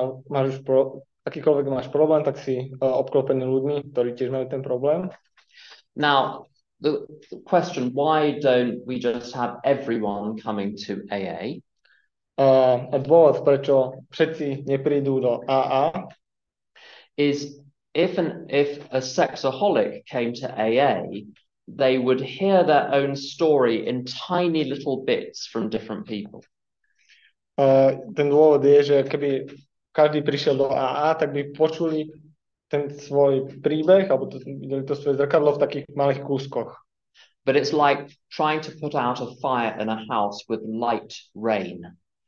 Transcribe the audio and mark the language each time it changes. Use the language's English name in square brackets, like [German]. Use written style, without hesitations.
[Slovak] Akýkoľvek máš problém, tak si obklopený ľuďmi, ktorí tiež majú ten problém. [English] Now, the question, why don't we just have everyone coming to AA? [Slovak] A dôvod, prečo všetci neprídu do AA, [English] is if a sexaholic came to AA, they would hear their own story in tiny little bits from different people. [Slovak] Ten dôvod je, že keby každý prišiel do AA, tak by počuli ten svoj príbeh alebo videli to svoje zrkadlo v takých malých kúskoch. [English] But it's like trying to put out a fire in a house with light rain.